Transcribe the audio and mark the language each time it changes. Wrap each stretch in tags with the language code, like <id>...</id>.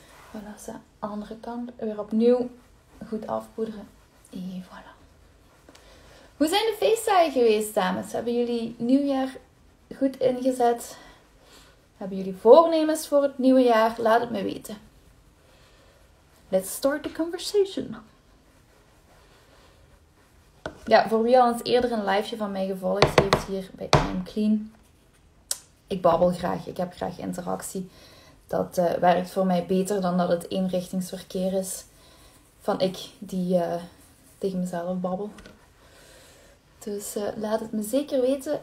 <nl>Voilà, de andere kant weer opnieuw goed afpoederen. En voilà. Hoe zijn de feestdagen geweest, dames? Hebben jullie nieuwjaar goed ingezet? Hebben jullie voornemens voor het nieuwe jaar? Laat het me weten.</nl> <en>Let's start the conversation.</en> <nl>Ja, voor wie al eens eerder een liveje van mij gevolgd heeft hier bij I'm Clean. Ik babbel graag. Ik heb graag interactie. Dat werkt voor mij beter dan dat het eenrichtingsverkeer is. Van ik die tegen mezelf babbel. Dus laat het me zeker weten.</nl>